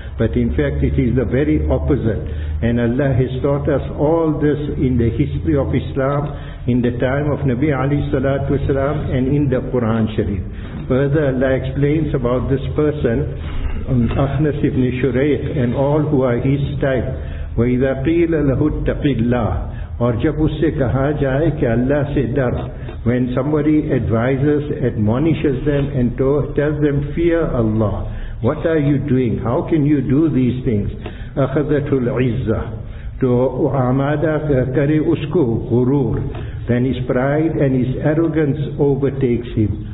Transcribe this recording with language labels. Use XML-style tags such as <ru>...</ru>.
<en>But in fact, it is the very opposite. And Allah has taught us all this in the history of Islam, in the time of Nabi alayhi salatu wasalam, and in the Quran Sharif. Further, Allah explains about this person, Akhnas ibn Shurayq, and all who are his type.</en> <ar>وَإِذَا قِيلَ لَهُ اتَّقِ اللَّهِ.</ar> <ur>Or جب اس سے کہا جائے کہ اللہ سے ڈر.</ur> <en>When somebody advises, admonishes them and tells them, fear Allah. What are you doing? How can you do these things?</en> <ar>أَخَذَتُ الْعِزَّةِ.</ar> <ur>تو آمادہ کرے اس کو غرور.</ur> <en>Then his pride and his arrogance overtakes him.</en>